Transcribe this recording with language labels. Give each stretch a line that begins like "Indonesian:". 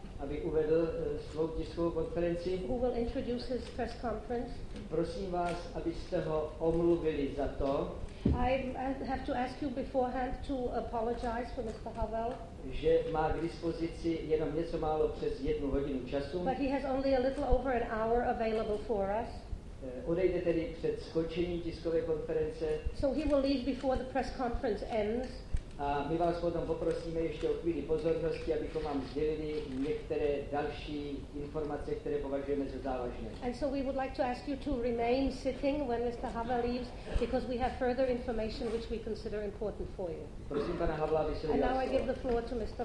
Czech: aby uvedl svou tiskovou konferenci.
English: Who will introduce his press conference.
Czech: Prosím vás, abyste ho omluvili za to.
English: I have to ask you beforehand to apologize for Mr. Havel.
Czech: Že má k dispozici jenom něco málo přes jednu hodinu času.
English: But he has only a little over an hour available for us.
Czech: Odejde tedy před skončením tiskové konference.
English: So he will leave before the press conference ends.
Czech: A my vás potom poprosíme ještě o chvíli pozornosti, abychom vám sdělili některé další informace, které považujeme za závažné.
English: And so we would like to ask you to remain sitting when Mr. Havel leaves, because we have further information which we consider important for you.
Czech: Prosím pana Havla, aby se udělal.
English: And now I give the floor to Mr.